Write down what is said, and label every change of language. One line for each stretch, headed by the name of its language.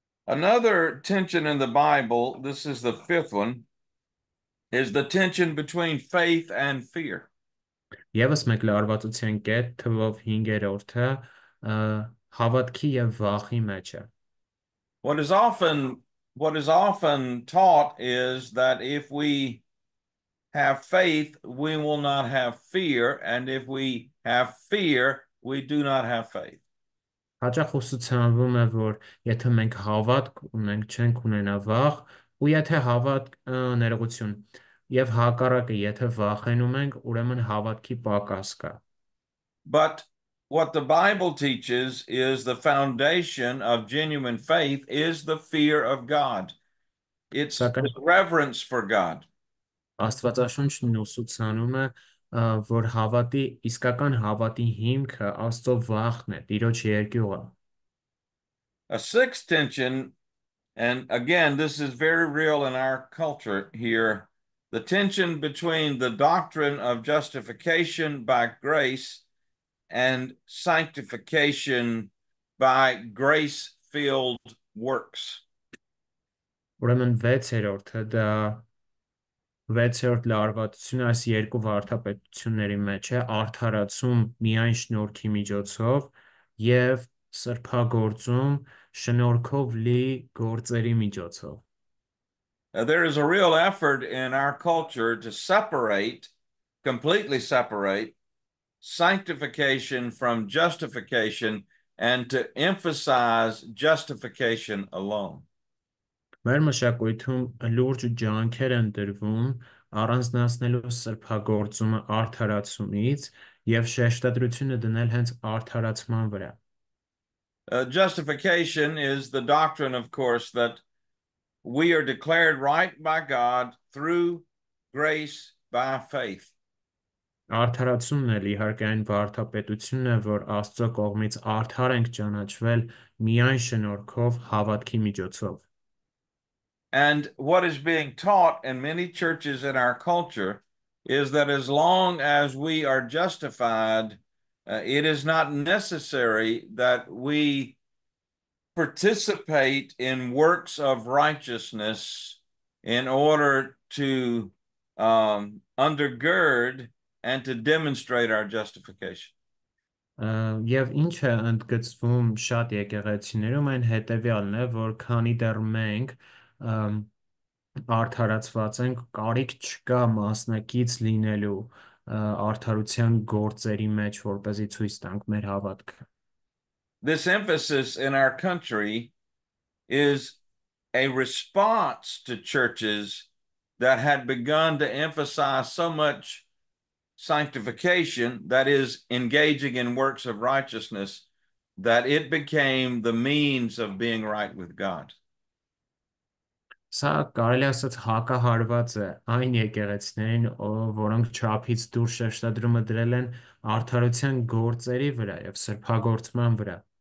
English: Another tension in the Bible, this is the fifth one, is the tension between faith and fear.
Armenian: Եվս մեկ լարվածության կետ, թվով 5-րդը, հավատքի եւ վախի մեջ է։
English: What is often taught is that if we have faith, we will not have fear, and if we have fear, we do not have faith.
Armenian: Հաճախ ուսուցանվում է, որ եթե մենք հավատք ունենք, չենք ունենա վախ, ու եթե հավատք ներողություն, եւ հակառակը, եթե վախենում ենք, ուրեմն հավատքի պակաս կա։
English: But what the Bible teaches is the foundation of genuine faith is the fear of God. It's the reverence for God.
Armenian: Աստվածաշունչն ուսուցանում է, որ հավատի իսկական հավատի հիմքը Աստծո վախն է, տիրոջ երկյուղը։
English: A sixth tension, and again this is very real in our culture here, the tension between the doctrine of justification by grace and sanctification by grace-filled works.
Armenian: Ուրեմն 6-րդը, դա 6-րդ լարվածությունը այս երկու վարդապետությունների մեջ է, արդարացում միայն շնորհքի միջոցով եւ սրբագործում շնորհքով լի գործերի միջոցով։
English: There is a real effort in our culture to separate, completely separate, sanctification from justification and to emphasize justification alone.
Armenian: Մեր մշակույթում լուրջ ջանքեր են տրվում առանձնացնելու սրբագործումը արդարացումից և շեշտադրությունը դնել հենց արդարացման վրա.
English: Justification is the doctrine, of course, that we are declared right by God through grace by faith.
Armenian: Արդարացումն էլ իհարկե այն վարդապետությունն է, որ Աստծո կողմից արդար ենք ճանաչվել միայն շնորհքով հավատքի միջոցով.
English: And what is being taught in many churches in our culture is that as long as we are justified, it is not necessary that we participate in works of righteousness in order to undergird and to demonstrate our justification.
Armenian: Եվ ինչ է ընդգծվում շատ եկեղեցիներում այն հետևյալն է, որ քանի դեռ մենք արդարացված ենք, կարիք չկա մասնակից լինելու արդարության գործերի մեջ, որպեսզի ցույց տանք մեր հավատքը.
English: This emphasis in our country is a response to churches that had begun to emphasize so much sanctification, that is, engaging in works of righteousness, that it became the means of being right with God.
Armenian: Սա կարելի ասած հակահարված է այն եկեղեցիներին, որոնք չափից դուրս շեշտադրումը դրել են արդարության գործերի վրա եւ սրբագործման վրա։